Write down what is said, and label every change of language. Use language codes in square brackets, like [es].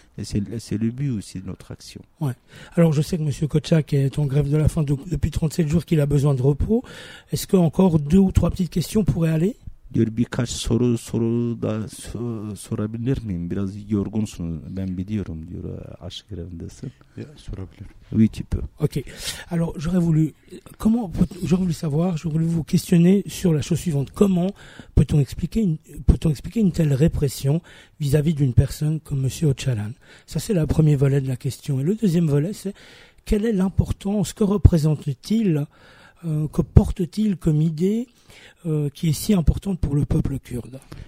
[fr] C'est le but aussi de notre action. Ouais. Alors je sais que M. Kotchak est en grève de la faim depuis 37 jours, qu'il a besoin de repos. Est-ce qu'encore deux ou trois petites questions pourraient aller ? [tr] Diyor, birkaç soru da sorabilir miyim? Biraz yorgunsun, ben biliyorum diyor, aşk grevindesin. Sorabilir. [fr] Oui, tu peux. Ok. Alors, j'aurais voulu savoir, j'aurais voulu vous questionner sur la chose suivante. Comment peut-on expliquer une telle répression vis-à-vis d'une personne comme M. Öcalan? Ça, c'est le premier volet de la question. Et le deuxième volet, c'est quelle est l'importance, que représente-t-il, que porte-t-il comme idée qui est si importante pour le peuple kurde.